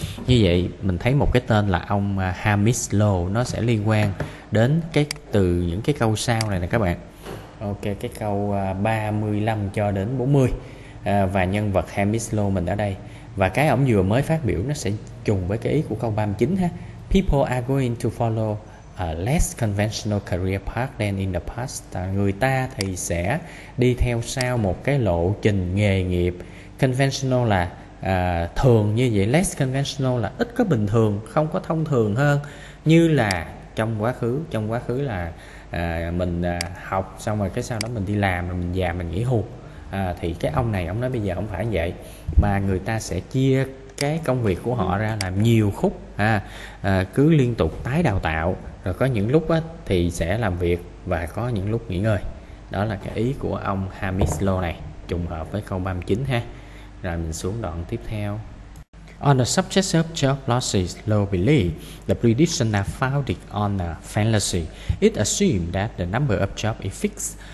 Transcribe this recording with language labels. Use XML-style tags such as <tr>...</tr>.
<vi>Như vậy mình thấy một cái tên là ông Hamid Low nó sẽ liên quan đến cái từ những cái câu sau này nè các bạn. Ok, cái câu 35 cho đến 40 và nhân vật Hamid Low mình ở đây, và cái ông vừa mới phát biểu nó sẽ trùng với cái ý của câu 39 ha.</vi> <en>People are going to follow a less conventional career path than in the past.</en> <vi>Người ta thì sẽ đi theo sau một cái lộ trình nghề nghiệp. Conventional là thường như vậy, less conventional là ít có bình thường, không có thông thường hơn. Như là trong quá khứ, trong quá khứ là mình học xong rồi cái sau đó mình đi làm, rồi mình già mình nghỉ hưu. Thì cái ông này ông nói bây giờ không phải vậy, mà người ta sẽ chia cái công việc của họ ra làm nhiều khúc, cứ liên tục tái đào tạo, rồi có những lúc thì sẽ làm việc và có những lúc nghỉ ngơi. Đó là cái ý của ông Hamish Law này, trùng hợp với câu 39 ha. Rồi mình xuống đoạn tiếp theo.</vi> <en>On the subject of job losses, Law believes the prediction are founded on a fallacy. It assumes that the number of jobs is fixed.</en>